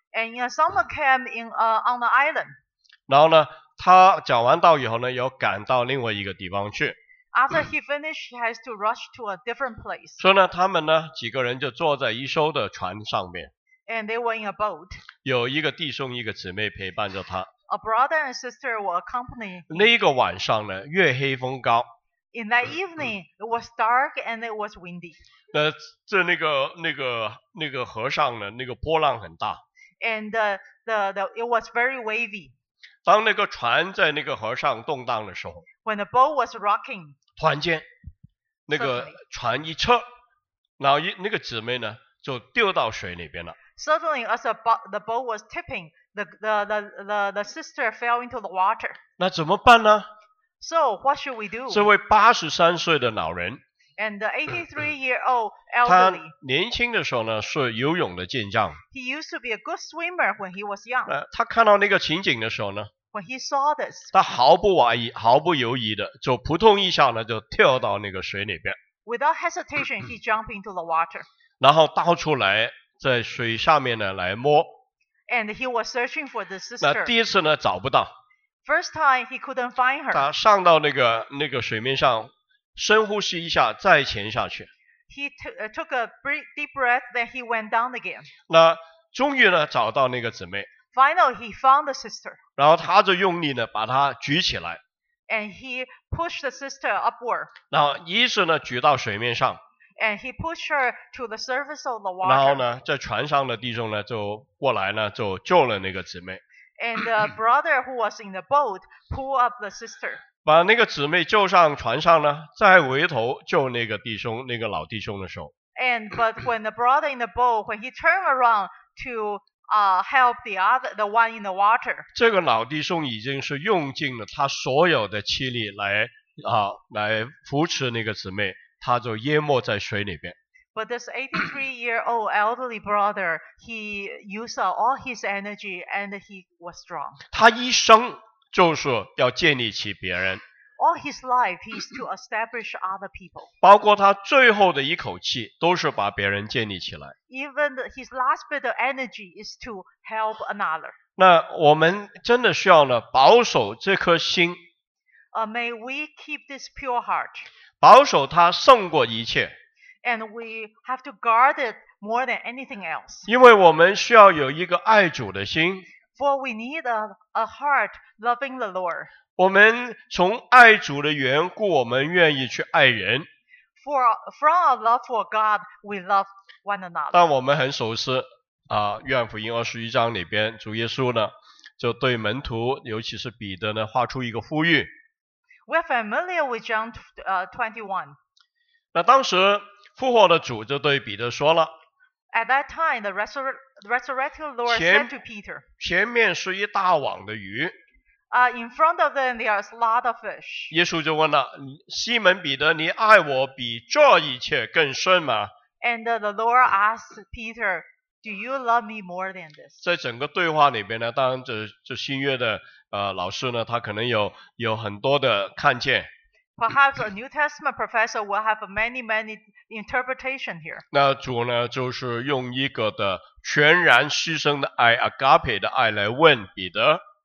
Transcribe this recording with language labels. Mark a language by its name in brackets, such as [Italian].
[English] And in a summer camp in on the island. [Chinese] 然后呢，他讲完道以后呢，又赶到另外一个地方去。 [English] After he finished, he has to rush to a different place. [Chinese] 所以呢，他们呢几个人就坐在一艘的船上面。 [English] And they were in a boat. [Chinese] 有一个弟兄一个姊妹陪伴着他。 [English] A brother and sister will accompany. [Chinese] 那个晚上呢，月黑风高。 [English] In that evening, it was dark and it was windy. [Chinese] 那这那个河上呢，那个波浪很大。 [English] And the it was very wavy. [Chinese] 当那个船在那个河上动荡的时候。 [English] When the boat was rocking, [Chinese] 突然间，那个船一撤，然后那个姊妹呢就掉到水里边了。 [English] Suddenly, as the boat was tipping, the sister fell into the water. [Chinese] 那怎么办呢 [English] ？So what should we do? [Chinese] 这位83岁的老人 [English] ，and the 83-year-old elderly, 他 [Chinese] 年轻的时候呢是游泳的健将。 [English] He used to be a good swimmer when he was young. [Chinese] 他看到那个情景的时候呢？ [English] When he saw this, [Chinese] 他毫不怀疑，毫不犹豫的，就扑通一下呢，就跳到那个水里边。 [English] Without hesitation, he jumped into the water. [Chinese] 然后倒出来，在水下面呢来摸。 [English] And he was searching for the sister. [Chinese] 那第一次呢找不到。 [English] First time he couldn't find her. [Chinese] 他上到那个水面上，深呼吸一下，再潜下去。 [English] He took a deep breath, then he went down again. [Chinese] 那终于呢找到那个姊妹。 [English] Finally, he found the sister. [Chinese] 然后他就用力呢把她举起来。 [English] And he pushed the sister upward. [Chinese] 然后一直呢举到水面上。 [English] And he pushed her to the surface of the water. [Chinese] 然后呢在船上的弟兄呢就过来呢就救了那个姊妹。 [English] And the brother who was in the boat pulled up the sister. [Chinese] 把那个姊妹救上船上呢再回头救那个弟兄那个老弟兄的时候。 [English] But when the brother in the boat, when he turned around to help the one in the water. [Chinese] 这个老弟兄已经是用尽了他所有的气力来扶持那个姊妹，他就淹没在水里边。 [English] But this 83-year-old elderly brother, he used all his energy and he was strong. [Chinese] 他一生就是要建立起别人。 [English] All his life, he is to establish other people. [Chinese] 包括他最后的一口气，都是把别人建立起来。 [English] Even his last bit of energy is to help another. [Chinese] 那我们真的需要呢，保守这颗心。 [English] May we keep this pure heart. [Chinese] 保守它胜过一切。 [English] And we have to guard it more than anything else. [Chinese] 因为我们需要有一个爱主的心。 [English] For we need a heart loving the Lord. [Chinese] 我们从爱主的缘故，我们愿意去爱人。 [English] From our love for God, we love one another. [Chinese] 但我们很熟悉约翰福音21章里边，主耶稣呢，就对门徒，尤其是彼得呢，画出一个呼吁。 [English] We're familiar with John 21. [Chinese] 那当时复活的主就对彼得说了。 [English] At that time, the resurrected Lord said to Peter, [Chinese] 前面是一大网的鱼。 [English] In front of them, there is a lot of fish. [Chinese] 耶稣就问了，西门彼得，你爱我比这一切更深吗？ [English] And the Lord asked Peter, do you love me more than this? [Chinese] 在整个对话里边呢，当然这新约的老师呢，他可能有很多的看见。 [English] Perhaps a New Testament professor will have many interpretation here. [Chinese] 那主呢，就是用一个的全然牺牲的爱 ，agape 的爱来问彼得。